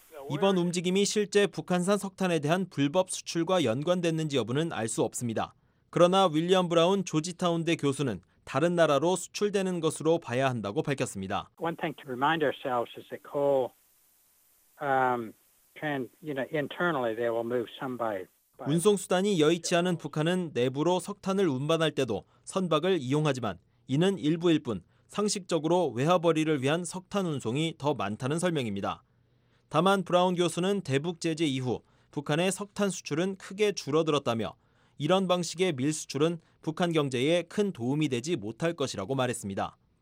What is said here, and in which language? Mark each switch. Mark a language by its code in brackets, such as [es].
[ko] 이번 움직임이 실제 북한산 석탄에 대한 불법 수출과 연관됐는지 여부는 알 수 없습니다. 그러나 윌리엄 브라운 조지타운대 교수는 다른 나라로 수출되는 것으로 봐야 한다고 밝혔습니다. [en] One thing to remind ourselves is that coal, internally they will move some by. [ko] 운송 수단이 여의치 않은 북한은 내부로 석탄을 운반할 때도 선박을 이용하지만 이는 일부일 뿐 상식적으로 외화 벌이를 위한 석탄 운송이 더 많다는 설명입니다. 다만 브라운 교수는 대북 제재 이후 북한의 석탄 수출은 크게 줄어들었다며 이런 방식의 밀수출은 북한 경제에 큰 도움이 되지 못할 것이라고 말했습니다.